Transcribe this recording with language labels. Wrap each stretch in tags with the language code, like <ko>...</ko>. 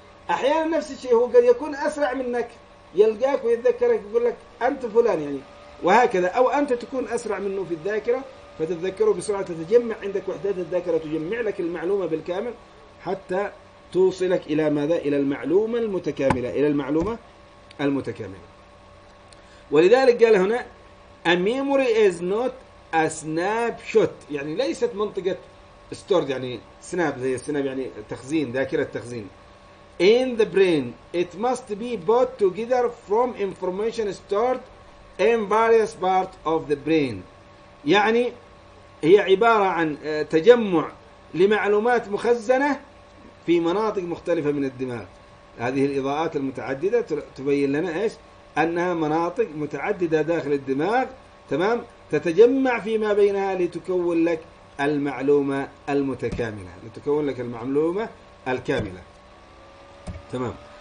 <ar>أحيانا نفس الشيء، هو قد يكون أسرع منك، يلقاك ويتذكرك يقول لك أنت فلان يعني، وهكذا، أو أنت تكون أسرع منه في الذاكرة فتتذكره بسرعة، تتجمع عندك وحدات الذاكرة تجمع لك المعلومة بالكامل حتى توصلك إلى ماذا؟ إلى المعلومة المتكاملة، إلى المعلومة المتكاملة. ولذلك قال هنا</ar> <en>A memory is not a snapshot،</en> <ar>يعني ليست منطقة stored، يعني snap زي snap يعني تخزين، ذاكرة تخزين.</ar> <en>In the brain it must be brought together from information stored in various parts of the brain،</en> <ar>يعني هي عبارة عن تجمع لمعلومات مخزنة في مناطق مختلفة من الدماغ. هذه الإضاءات المتعددة تبين لنا إيش؟ أنها مناطق متعددة داخل الدماغ، تمام، تتجمع فيما بينها لتكون لك المعلومة المتكاملة، لتكون لك المعلومة الكاملة، تمام.</ar>